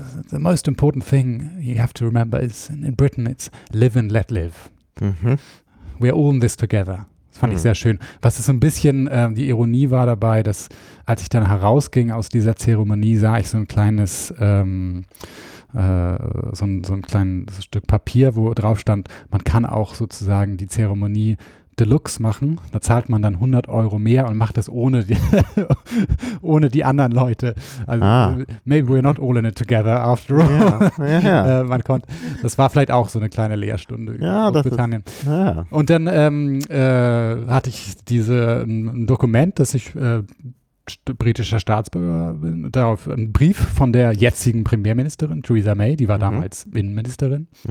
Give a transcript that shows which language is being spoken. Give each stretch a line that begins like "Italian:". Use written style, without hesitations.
English: The most important thing you have to remember is in Britain it's live and let live. We're all in this together.
German: Das fand ich sehr schön. Was ist so ein bisschen, die Ironie war dabei, dass als ich dann herausging aus dieser Zeremonie, sah ich so ein kleines so ein kleines Stück Papier, wo drauf stand, man kann auch sozusagen die Zeremonie Deluxe machen, da zahlt man dann 100 Euro mehr und macht das ohne die, ohne die anderen Leute.
English: Also maybe we're not all in it together after all. Yeah.
German: Das war vielleicht auch so eine kleine Lehrstunde in Großbritannien. Und dann hatte ich ein Dokument, dass ich britischer Staatsbürger bin, darauf einen Brief von der jetzigen Premierministerin, Theresa May, die war damals Innenministerin.